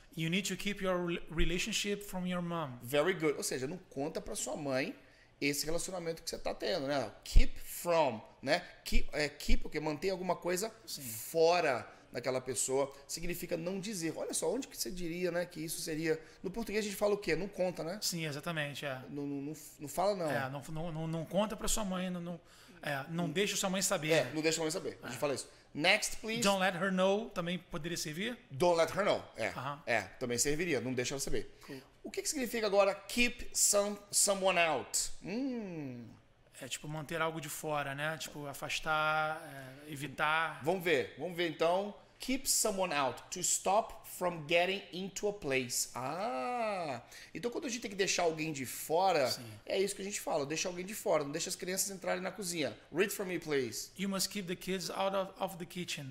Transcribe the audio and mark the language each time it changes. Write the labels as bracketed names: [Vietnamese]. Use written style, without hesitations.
[English] You need to keep your relationship from your mom. Very good. [Portuguese] Ou seja, não conta pra sua mãe esse relacionamento que você tá tendo, né? Keep from, né? Keep, porque mantém alguma coisa fora daquela pessoa. Significa não dizer. Olha só, onde que você diria, né, que isso seria... No português a gente fala o quê? Não conta, né? Sim, exatamente, Não fala, não. Não conta pra sua mãe, não deixa sua mãe saber. Não deixa sua mãe saber. A gente fala isso. [English] Next, please. Don't let her know [Portuguese] também poderia servir? [English] Don't let her know. [Portuguese] Também serviria. Não deixa ela saber. [English] Cool. [Portuguese] O que significa agora keep someone out? É tipo manter algo de fora, né? Tipo afastar, evitar. Vamos ver então. [English] Keep someone out. To stop from getting into a place. Ah! [Portuguese] Então quando a gente tem que deixar alguém de fora, Sim. é isso que a gente fala. Deixa alguém de fora. Não deixa as crianças entrarem na cozinha. [English] Read for me, please. You must keep the kids out of the kitchen.